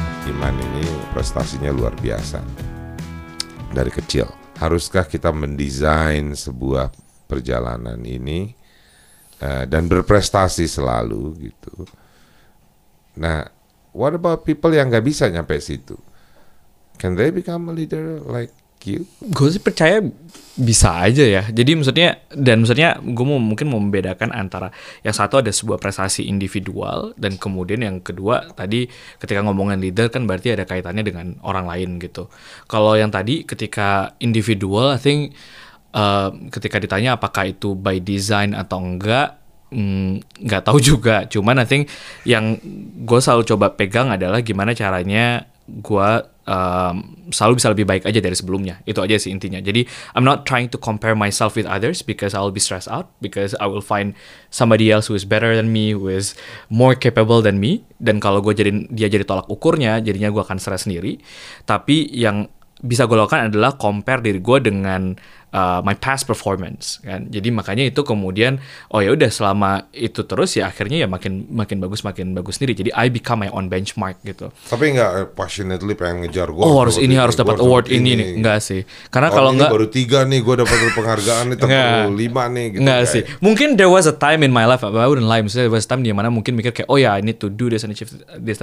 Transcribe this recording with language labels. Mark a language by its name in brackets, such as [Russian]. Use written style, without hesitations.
[Indonesian] Iman ini prestasinya luar biasa. Dari kecil. Haruskah kita mendesain sebuah perjalanan ini dan berprestasi selalu gitu? Nah, [English] what about people [Indonesian] yang nggak bisa nyampe situ? [English] Can they become a leader like you? [Indonesian] Gue sih percaya bisa aja ya. Jadi maksudnya gue mungkin mau membedakan antara yang satu ada sebuah prestasi individual dan kemudian yang kedua tadi ketika ngomongin leader kan berarti ada kaitannya dengan orang lain gitu. Kalau yang tadi ketika individual, [English] I think [Indonesian] ketika ditanya apakah itu [English] by design [Indonesian] atau enggak, nggak tahu juga. Cuman [English] I think [Indonesian] yang gue selalu coba pegang adalah gimana caranya gue selalu bisa lebih baik aja dari sebelumnya. Itu aja sih intinya. Jadi [English] I'm not trying to compare myself with others because I'll be stressed out because I will find somebody else who is better than me, who is more capable than me. [Indonesian] Dan kalau gue jadi tolak ukurnya, jadinya gue akan stress sendiri. Tapi yang bisa gue lakukan adalah [English] compare [Indonesian] diri gue dengan [English] my past performance [Indonesian] kan. Jadi makanya itu kemudian oh ya udah selama itu terus ya akhirnya ya makin bagus sendiri. Jadi [English] I become my own benchmark [Indonesian] gitu. Tapi enggak passionately pengen ngejar gua. Oh, harus ini harus dapat award ini nih. Enggak sih. Karena kalau enggak baru 3 nih gua dapat penghargaan nih tempat 5 nih gitu. Enggak sih. Mungkin [English] there was a time in my life I wouldn't lie. [Indonesian] Maksudnya [English] there was a time [Indonesian] di mana mungkin mikir kayak oh ya [English] I need to do this and achieve this.